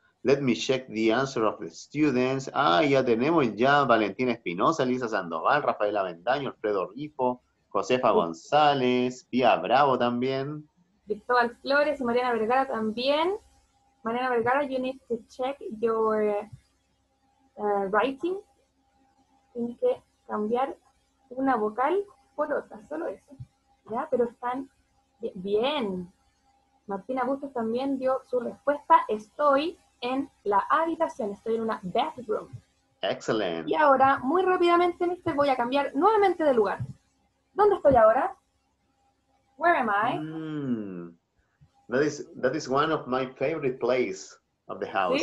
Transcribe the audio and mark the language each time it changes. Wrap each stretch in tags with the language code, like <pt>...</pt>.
<en>Let me check the answer of the students.</en> <es>Ah, ya tenemos ya Valentina Espinosa, Lisa Sandoval, Rafael Avendaño, Alfredo Rifo, Josefa González, Pía Bravo también. Cristóbal Flores y Mariana Vergara también.</es> <en>Mariana Vergara, you need to check your... writing,</en> <es>tienes que cambiar una vocal por otra, solo eso, ¿ya? Pero están bien. Martina Bustos también dio su respuesta, estoy en la habitación, estoy en una bathroom. Excelente. Y ahora, muy rápidamente, voy a cambiar nuevamente de lugar. ¿Dónde estoy ahora?</es> <en>Where am I? That is one of my favorite places of the house.</en>